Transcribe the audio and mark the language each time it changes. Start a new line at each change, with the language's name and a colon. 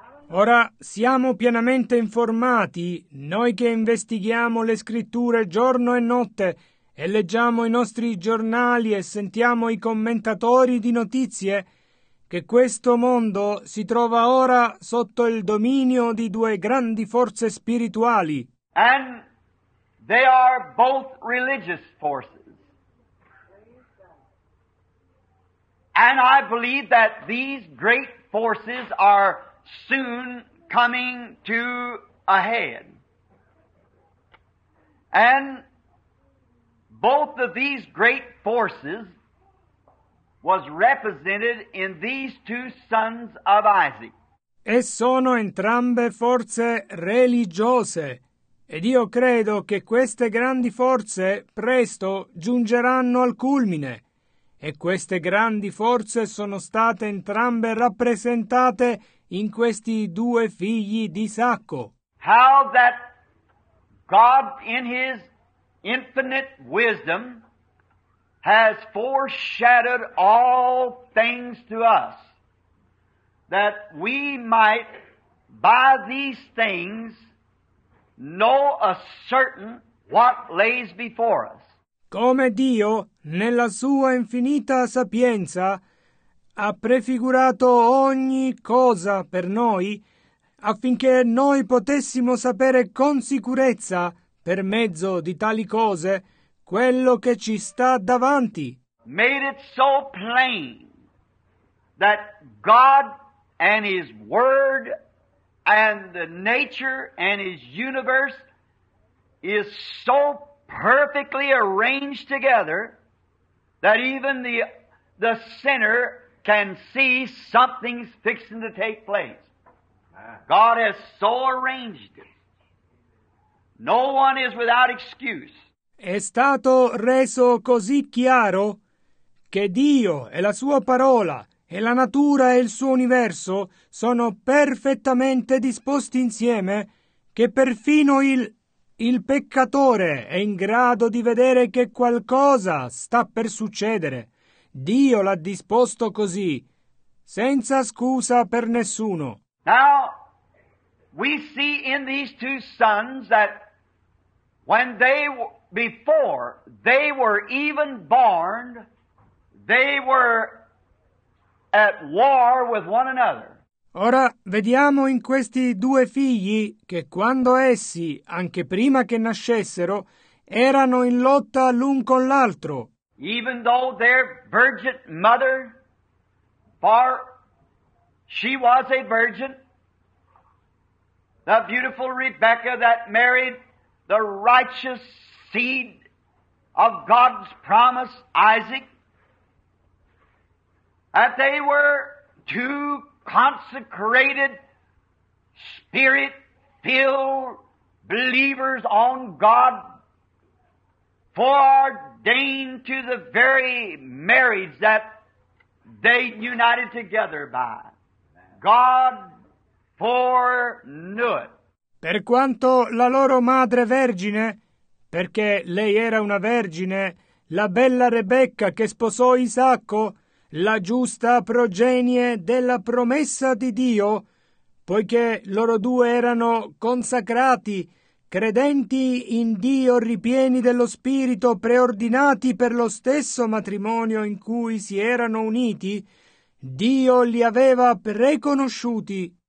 Italian: Ora siamo pienamente informati, noi che investighiamo le scritture giorno e notte e leggiamo i nostri giornali e sentiamo i commentatori di notizie, che questo mondo si trova ora sotto il dominio di due grandi forze spirituali.
English: And they are both religious forces. And I believe that these great forces are soon coming to a head. And both of these great forces was represented in these two sons of Isaac.
Italian: E sono entrambe forze religiose, ed io credo che queste grandi forze presto giungeranno al culmine, e queste grandi forze sono state entrambe rappresentate in questi due figli di Isacco.
English: How that God in his infinite wisdom has foreshadowed all things to us, that we might by these things know a certain what lays before us.
Italian: Come Dio, nella sua infinita sapienza, ha prefigurato ogni cosa per noi, affinché noi potessimo sapere con sicurezza, per mezzo di tali cose, quello che ci sta davanti.
English: Made it so plain that God and his word and the nature and his universe is so perfectly arranged together that even the sinner can see something's fixing to take place. God has so arranged it. No one is without excuse.
Italian: È stato reso così chiaro che Dio e la sua parola e la natura e il suo universo sono perfettamente disposti insieme, che perfino il peccatore è in grado di vedere che qualcosa sta per succedere. Dio l'ha disposto così, senza scusa per nessuno.
English: Now, we see in these two sons that when they, before they were even born, they were at war with one another.
Italian: Ora vediamo in questi due figli che quando essi, anche prima che nascessero, erano in lotta l'un con l'altro.
English: Even though their virgin mother, for she was a virgin, the beautiful Rebecca that married the righteous seed of God's promise, Isaac, that they were two consecrated, spirit-filled believers on God, foreordained to the very marriage that they united together by. God foreknew it.
Italian: Per quanto la loro madre vergine, perché lei era una vergine, la bella Rebecca che sposò Isacco, la giusta progenie della promessa di Dio, poiché loro due erano consacrati, credenti in Dio, ripieni dello Spirito, preordinati per lo stesso matrimonio in cui si erano uniti, Dio li aveva preconosciuti.